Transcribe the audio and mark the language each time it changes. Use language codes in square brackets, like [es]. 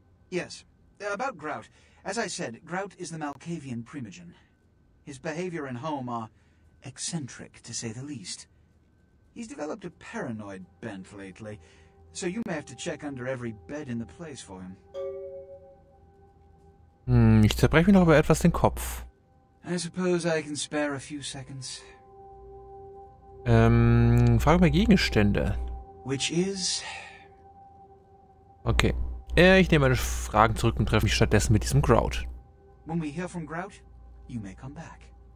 [en] Yes. About Grout. As I said, Grout is the Malkavian Primogen. His behavior and home are eccentric, to say the least. He's developed a paranoid bent lately, so you may have to check under every bed in the place for him. [de] Ich zerbreche mir noch über etwas den Kopf. [en] I suppose I can spare a few seconds. [de] Frage mal Gegenstände. [en] Which is? Okay. [de] Ich nehme meine Fragen zurück und treffe mich stattdessen mit diesem Grout. [en] When we hear from Grout, you may come back.